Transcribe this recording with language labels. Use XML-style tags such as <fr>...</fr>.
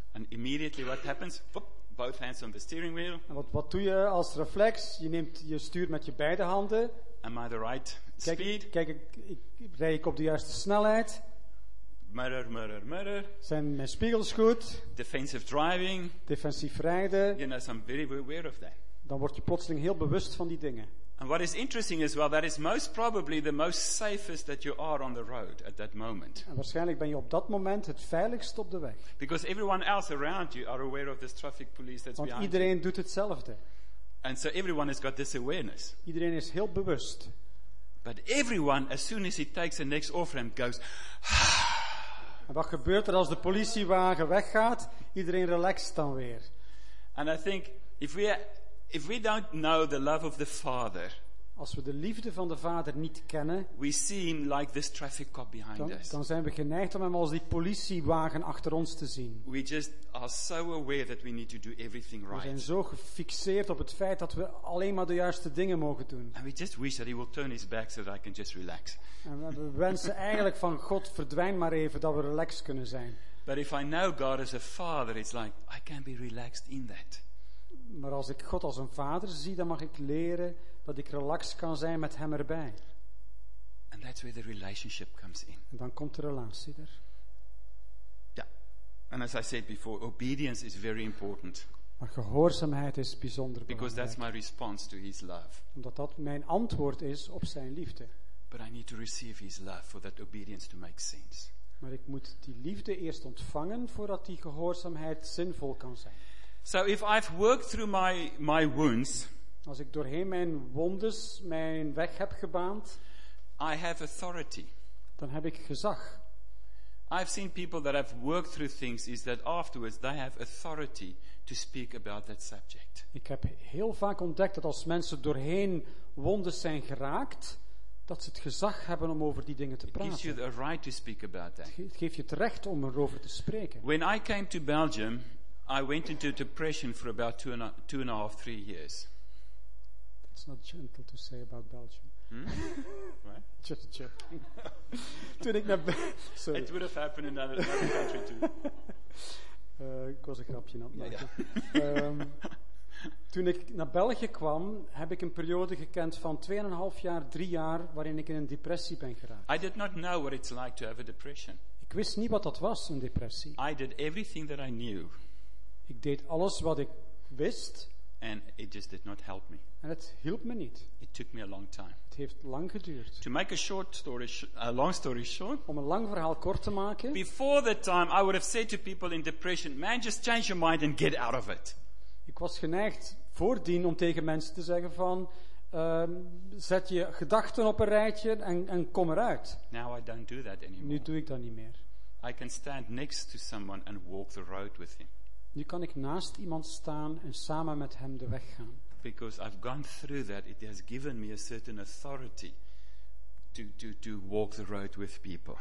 <en>And immediately what happens? Boop, both hands on the steering wheel.</en> <nl>En wat doe je als reflex? Je stuurt met je beide handen.</nl> <en>Am I the right speed?</en> <nl>Kijk, rij ik op de juiste snelheid?</nl> <en>Mirror, mirror, mirror.</en> <nl>Zijn mijn spiegels goed?</nl> <en>Defensive driving.</en> <nl>Defensief rijden.</nl> <en>You know, so I'm very aware of that.</en> <nl>Dan word je plotseling heel bewust van die dingen.</nl> <en>And what is interesting as well, that is most probably the most safest that you are on the road at that moment.</en> <nl>En waarschijnlijk ben je op dat moment het veiligst op de weg.</nl> <en>Because everyone else around you are aware of this traffic police that's behind you.</en> <nl>Want iedereen doet hetzelfde.</nl> <en>And so everyone has got this awareness.</en> <nl>Iedereen is heel bewust.</nl> <en>But everyone, as soon as he takes the next off-ramp, goes.</en> <nl>En wat gebeurt er als de politiewagen weggaat? Iedereen relaxt dan weer.</nl> <en>And I think if we don't know the love of the Father,</en> <nl>als we de liefde van de Vader niet kennen,</nl> <en>we see him like this traffic cop behind us.</en> <nl>Dan zijn we geneigd om hem als die politiewagen achter ons te zien.</nl> <en>We just are so aware that we need to do everything right.</en> <nl>We zijn zo gefixeerd op het feit dat we alleen maar de juiste dingen mogen doen.</nl> <en>And we just wish that he will turn his back so that I can just relax.</en> <nl>En we wensen eigenlijk van God, verdwijn maar even, dat we relaxed kunnen zijn.</nl> <en>But if I know God as a Father, it's like I can be relaxed in that.</en> <nl>Maar als ik God als een Vader zie, dan mag ik leren dat ik relaxed kan zijn met hem erbij.</nl> <en>And that's where the relationship comes in.</en> <nl>En dan komt de relatie er. Ja.</nl> <en>Yeah. And as I said before, obedience is very important.</en> <nl>Maar gehoorzaamheid is bijzonder belangrijk.</nl> <en>Because that's my response to his love.</en> <nl>Omdat dat mijn antwoord is op zijn liefde.</nl> <en>But I need to receive his love for that obedience to make sense.</en> <nl>Maar ik moet die liefde eerst ontvangen voordat die gehoorzaamheid zinvol kan zijn.</nl> <en>So if I've worked through my wounds,</en> <nl>als ik doorheen mijn wondes mijn weg heb gebaand,</nl> <en>I have authority.</en> <nl>Dan heb ik gezag.</nl> <en>I've seen people that have worked through things is that afterwards they have authority to speak about that subject.</en> <nl>Ik heb heel vaak ontdekt dat als mensen doorheen wondes zijn geraakt, dat ze het gezag hebben om over die dingen te praten.</nl> <en>It gives you the right to speak about that.</en> <nl>Het geeft je het recht om erover te spreken.</nl> <en>When I came to Belgium, I went into depression for about two and a half, three years. That's not gentle to say about Belgium. Hmm? Just joking.</en> <nl>Toen ik naar</nl> <en>Sorry. It would have happened in another country too.</en> <nl>Ik was een grapje aan het maken. Toen ik naar België kwam, heb ik een periode gekend van 2,5 jaar, 3 jaar, waarin ik in een depressie ben geraakt.</nl> <en>I did not know what it's like to have a depression.</en> <nl>Ik wist niet wat dat was, een depressie.</nl> <en>I did everything that I knew.</en> <nl>Ik deed alles wat ik wist.</nl> <en>And it just did not help me.</en> <nl>En het hielp me niet.</nl> <en>It took me a long time.</en> <nl>Het heeft lang geduurd.</nl> <en>To make a long story short.</en> <nl>Om een lang verhaal kort te maken.</nl> <en>Before that time, I would have said to people in depression, man, just change your mind and get out of it.</en> <nl>Ik was geneigd voordien om tegen mensen te zeggen van, zet je gedachten op een rijtje en kom eruit.</nl> <en>Now I don't do that anymore.</en> <nl>Nu doe ik dat niet meer.</nl> <en>I can stand next to someone and walk the road with him.</en> <nl>Nu kan ik naast iemand staan en samen met hem de weg gaan.</nl> <en>Because I've gone through that, it has given me a certain authority to walk the road with people.</en>